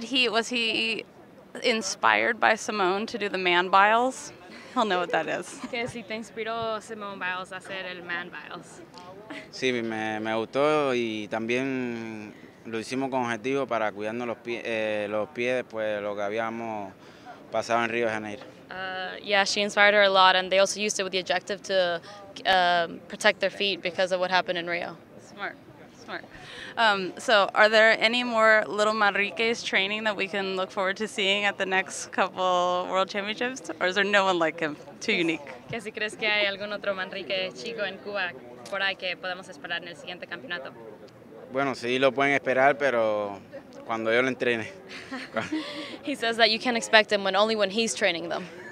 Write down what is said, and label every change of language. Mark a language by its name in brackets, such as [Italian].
[English] Was he inspired by Simone to do the man biles? He'll know what that is. [Spanish] Que si te inspiró Simone Biles a hacer el man biles. Sí, me gustó y también lo hicimos con objetivo para cuidarnos los pies después de lo que habíamos pasado en Río de Janeiro. [English] Yeah, she inspired her a lot, and they also used it with the objective to protect their feet because of what happened in Rio. Smart. So are there any more little Manriques training that we can look forward to seeing at the next couple World Championships? Or is there no one like him? Too unique. [Spanish] ¿Qué si crees que hay algún otro Manrique chico en Cuba por ahí que podemos esperar en el siguiente campeonato? Bueno, sí, lo pueden esperar, pero cuando yo lo entrene. [English] He says that you can't expect him when only when he's training them.